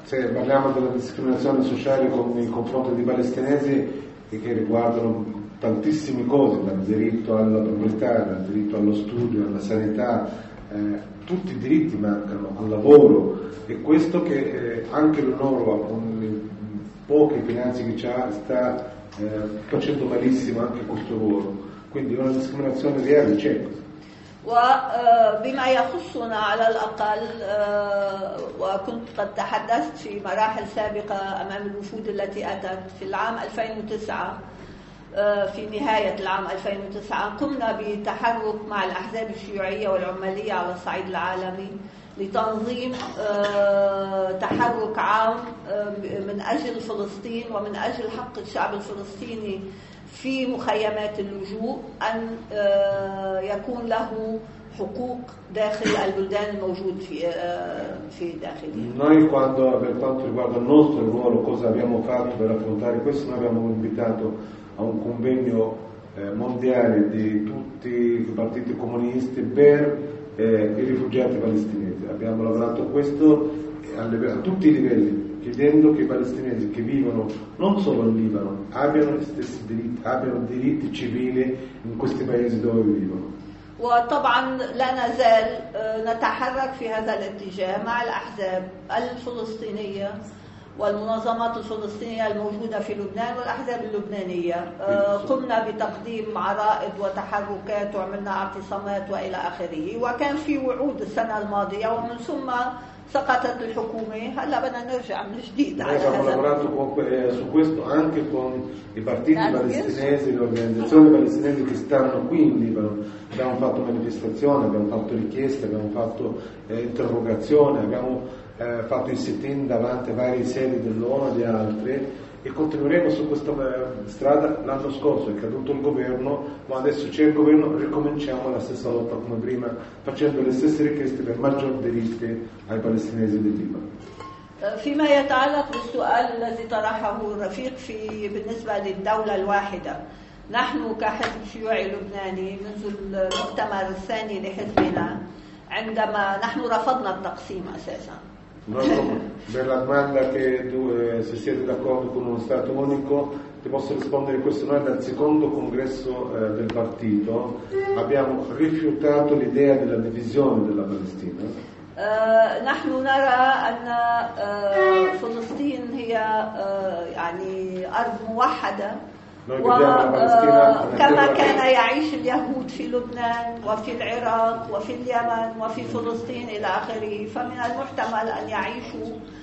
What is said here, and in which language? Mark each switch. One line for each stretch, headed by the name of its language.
Italian: Sì, parliamo della discriminazione sociale con i confronti di palestinesi che riguardano tantissime cose, dal diritto alla proprietà, dal diritto allo studio, alla sanità, tutti i diritti mancano, al lavoro, e questo che anche l'UNRWA con le poche finanze che ha sta facendo malissimo anche questo lavoro, quindi una discriminazione reale c'è.
Arabic: وبما يخصنا على الأقل وكنت قد تحدثت في مراحل سابقة أمام الوفود التي أتت في العام 2009 في نهاية العام 2009 قمنا بتحرك مع الأحزاب الشيوعية والعمالية على الصعيد العالمي لتنظيم تحرك عام من أجل فلسطين ومن أجل حق الشعب الفلسطيني في مخيمات اللجوء أن يكون له حقوق داخل البلدان الموجود في داخله.
Italian: Noi quando per quanto riguarda il nostro ruolo cosa abbiamo fatto per affrontare questo, noi abbiamo invitato a un convegno mondiale di tutti i partiti comunisti per i rifugiati palestinesi. Abbiamo lavorato questo a tutti i livelli, chiedendo che i palestinesi che vivono non solo in Libano abbiano gli stessi diritti, abbiano diritti civili in questi paesi dove vivono.
Arabic: وطبعا لا نزال نتحرك في هذا الاتجاه مع الأحزاب الفلسطينية والمنظمات الفلسطينية الموجودة في لبنان والأحزاب اللبنانية قمنا بتقديم عرائض وتحركات وعملنا اعتصامات وإلى آخره وكان في وعود السنة الماضية ومن ثم سقطت الحكومة هلا بدنا نرجع من جديد على هذا.
Italian: Abbiamo lavorato su questo anche con i partiti palestinesi, le organizzazioni palestinesi che stanno qui in Libano. Abbiamo fatto manifestazioni, abbiamo fatto richieste, abbiamo fatto interrogazioni, abbiamo fatto il sit-in davanti a varie sedi dell'ONU e di altre, e continueremo su questa strada. L'anno scorso è caduto il governo, ma adesso c'è il governo, ricominciamo la stessa lotta come prima, facendo le stesse richieste per maggior diritti ai palestinesi di Libano.
Arabic: فيما يتعلق بالسؤال الذي طرحه الرفيق في بالنسبة للدولة الواحدة، نحن كحزب شيوعي لبناني منذ المؤتمر الثاني لحزبنا عندما نحن رفضنا التقسيم أساسا.
Italian: Per la domanda che tu se siete d'accordo con uno stato unico, ti posso rispondere questo: noi dal secondo congresso del partito abbiamo rifiutato l'idea della divisione della Palestina.
Arabic: نحن نرى أن فلسطين هي يعني أرض موحدة، وكما كان يعيش اليهود في لبنان وفي العراق وفي اليمن وفي فلسطين إلى آخره، فمن المحتمل أن يعيشوا.